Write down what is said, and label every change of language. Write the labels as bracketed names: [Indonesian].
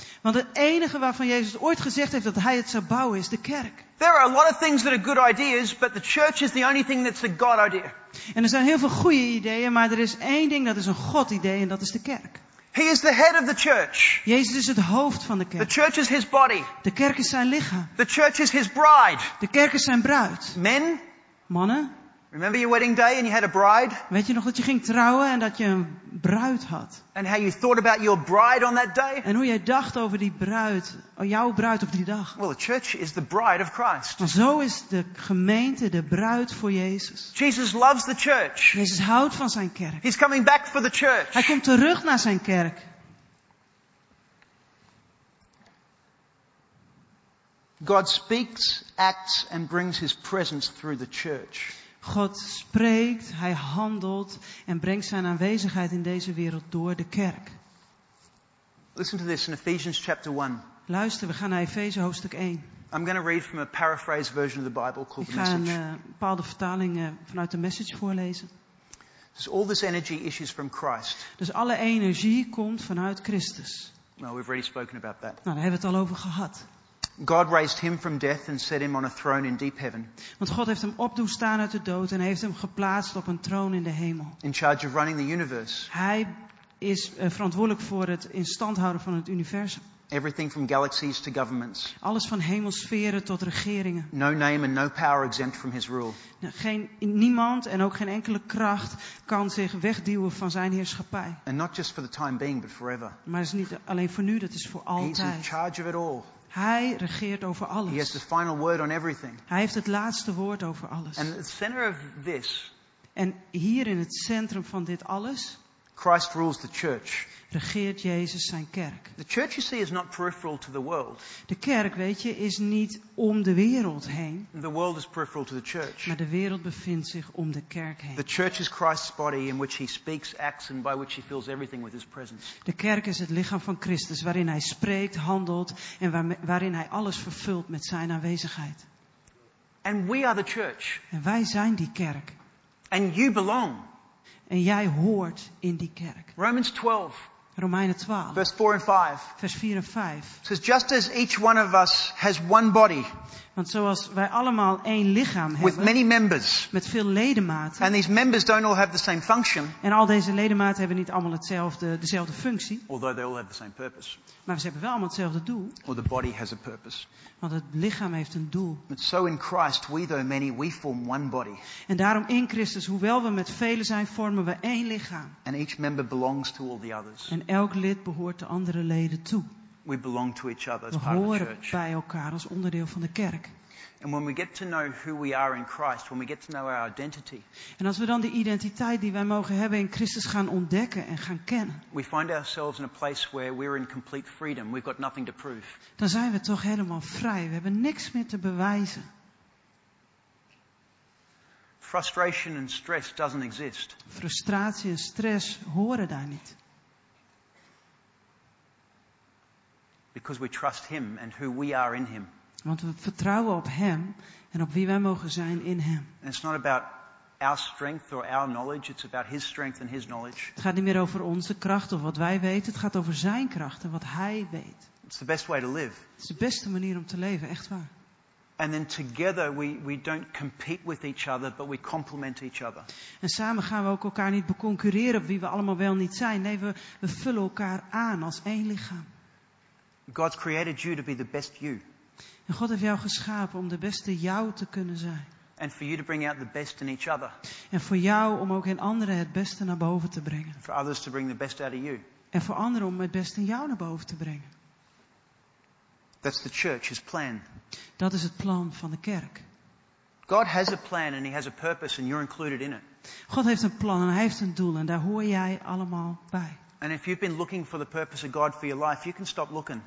[Dutch] Want het enige waarvan Jezus ooit gezegd heeft dat hij het zou bouwen is de kerk. [English] There are a lot of things that are good ideas, but the church is the only thing that's a God idea. [Dutch] En er zijn heel veel goede ideeën, maar er is één ding dat is een God idee en dat is de kerk. [English] He is the head of the church. [Dutch] Jezus is het hoofd van de kerk. [English] The church is his body. [Dutch] De kerk is zijn lichaam. [English] The church is his bride. [Dutch] De kerk is zijn bruid. [English] Men. [Dutch] Mannen. [English] Remember your wedding day and you had a bride? [Dutch] Weet je nog dat je ging trouwen en dat je een bruid had? [English] And how you thought about your bride on that day? [Dutch] En hoe jij dacht over die bruid, jouw bruid op die dag? [English] Well, the church is the bride of Christ. [Dutch] Maar zo is de gemeente de bruid voor Jezus. [English] Jesus loves the church. [Dutch] Jezus houdt van zijn kerk. [English] He's coming back for the church. [Dutch] Hij komt terug naar zijn kerk. [English] God speaks, acts and brings his presence through the church. [Dutch] God spreekt, hij handelt en brengt zijn aanwezigheid in deze wereld door de kerk. [English] Listen to this in Ephesians chapter 1. [Dutch] Luister, we gaan naar Efeze hoofdstuk 1. [English] I'm going to read from a paraphrased version of the Bible called [Dutch] The Message. Ik ga een bepaalde vertaling vanuit de Message voorlezen. [English] So all this energy issues from Christ. [Dutch] Dus alle energie komt vanuit Christus. [English] Well, we've already spoken about that. [Dutch] Nou, daar hebben we het al over gehad. [English] God raised him from death and set him on a throne in deep heaven. [Dutch] Want God heeft hem opdoen staan uit de dood en heeft hem geplaatst op een troon in de hemel. [English] In charge of running the universe. [Dutch] Hij is verantwoordelijk voor het in stand houden van het universum. [English] Everything from galaxies to governments. [Dutch] Alles van hemelsferen tot regeringen. [English] No name and no power exempt from his rule. [Dutch] Niemand en ook geen enkele kracht kan zich wegduwen van zijn heerschappij. [English] And not just for the time being, but forever. [Dutch] Maar het is niet alleen voor nu, dat is voor altijd. [English] He's in charge of it all. [Dutch] Hij regeert over alles. [English] He has the final word on everything. [Dutch] Hij heeft het laatste woord over alles. [English] And the center of this, [Dutch] en hier in het centrum van dit alles, [English] Christ rules the church. [Dutch] Regeert Jezus zijn kerk. [English] The church, you see, is not peripheral to the world. [Dutch] De kerk, weet je, is niet om de wereld heen. [English] The world is peripheral to the church. [Dutch] Maar de wereld bevindt zich om de kerk heen. [English] The church is Christ's body in which he speaks, acts and by which he fills everything with his presence. [Dutch] De kerk is het lichaam van Christus waarin hij spreekt, handelt en waarin hij alles vervult met zijn aanwezigheid. [English] And we are the church. [Dutch] En wij zijn die kerk. [English] And you belong. [Dutch] En jij hoort in die kerk. [English] Romans 12. [Dutch] Romeinen 12. [English] Verse 4 and 5. [Dutch] Vers 4 en 5. [English] It says, just as each one of us has one body. [Dutch] Want zoals wij allemaal één lichaam hebben. [English] With many members. [Dutch] Met veel ledematen. [English] And these members don't all have the same function. [Dutch] En al deze ledematen hebben niet allemaal dezelfde functie. [English] Although they all have the same purpose. [Dutch] Maar ze hebben wel allemaal hetzelfde doel. [English] Or the body has a purpose. [Dutch] Want het lichaam heeft een doel. [English] But so in Christ, we though many, we form one body. [Dutch] En daarom in Christus, hoewel we met velen zijn, vormen we één lichaam. [English] And each member belongs to all the others. [Dutch] En elk lid behoort de andere leden toe. [English] We belong to each other as part of the church. [Dutch] We horen bij elkaar als onderdeel van de kerk. [English] And when we get to know who we are in Christ, when we get to know our identity. [Dutch] En als we dan de identiteit die wij mogen hebben in Christus gaan ontdekken en gaan kennen. [English] We find ourselves in a place where we're in complete freedom. We've got nothing to prove. [Dutch] Dan zijn we toch helemaal vrij. We hebben niks meer te bewijzen. [English] Frustration and stress doesn't exist. [Dutch] Frustratie en stress horen daar niet. [English] Because we trust him and who we are in him. [Dutch] Want we vertrouwen op hem en op wie wij mogen zijn in hem. [English] It's not about our strength or our knowledge, it's about his strength and his knowledge. [Dutch] Het gaat niet meer over onze kracht of wat wij weten, het gaat over zijn kracht en wat hij weet. [English] It's the best way to live. [Dutch] Het is de beste manier om te leven, echt waar. [English] And then together we don't compete with each other, but we complement each other. [Dutch] En samen gaan we ook elkaar niet beconcurreren op wie we allemaal wel niet zijn. Nee, we vullen elkaar aan als één lichaam. [English] God created you to be the best you. [Dutch] En God heeft jou geschapen om de beste jou te kunnen zijn. [English] And for you to bring out the best in each other. [Dutch] En voor jou om ook in anderen het beste naar boven te brengen. [English] For others to bring the best out of you. [Dutch] En voor anderen om het beste in jou naar boven te brengen. [English] That's the church's plan. [Dutch] Dat is het plan van de kerk. [English] God has a plan and he has a purpose and you're included in it. [Dutch] God heeft een plan en hij heeft een doel en daar hoor jij allemaal bij. [English] And if you've been looking for the purpose of God for your life, you can stop looking.